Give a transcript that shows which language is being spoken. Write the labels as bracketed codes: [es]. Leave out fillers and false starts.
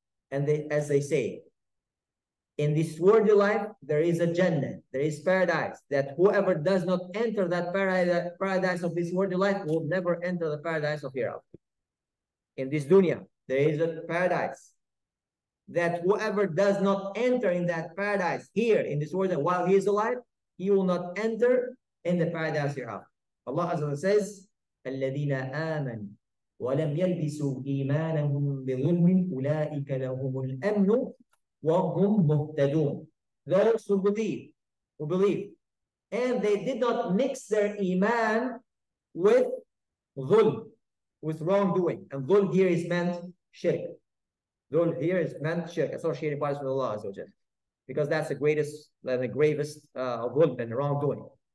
[en] And as they say, in this worldly life, there is a Jannah, there is paradise, that whoever does not enter that paradise of this worldly life will never enter the paradise of hereafter. In this dunya, there is a paradise, that whoever does not enter in that paradise here, in this world, while he is alive, he will not enter in the paradise hereafter. [ar] Allah Azza wa Jalla says, الَّذِينَ آمَنُوا وَلَمْ يَلْبِسُوا إِيمَانَهُمْ بِظُلْمٍ أُولَٰئِكَ لَهُمُ الْأَمْنُ وَهُمْ مُهْتَدُونَ. [en] Those who believe, and they did not mix their iman with dhulm, with wrongdoing. And dhulm here is meant shirk. Dhulm here is meant shirk, associated with Allah Azza wa Jalla, because that's the gravest dhulm and wrongdoing.